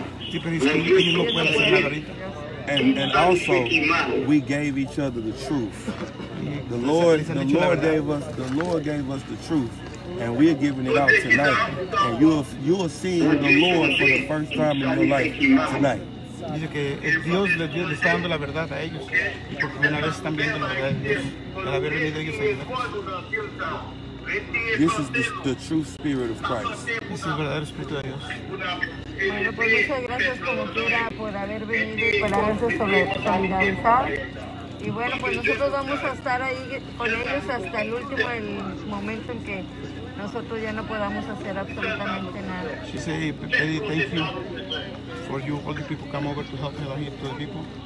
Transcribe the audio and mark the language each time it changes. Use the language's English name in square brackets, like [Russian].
[Spanish] sí, pero dice que ellos no pueden hacer nada ahorita. [English] And also, we gave each other the truth. The Lord gave us the truth, and we're giving it out tonight. And you're seeing the Lord for the first time in your life tonight. [Spanish] Dice que el Dios le está dando la verdad a ellos, y por primera vez están viendo la verdad de Dios al haber venido ellos a ayudar. [English] This is the true spirit of Christ. [Spanish] Es el verdadero espíritu de Dios. Bueno, pues muchas gracias como quiera por haber venido y por haberse solidarizado. Y bueno, pues nosotros vamos a estar ahí con ellos hasta el último el momento en que nosotros ya no podamos hacer absolutamente nada. [English] She said, Betty, thank you for you, all the people come over to help me, to the people.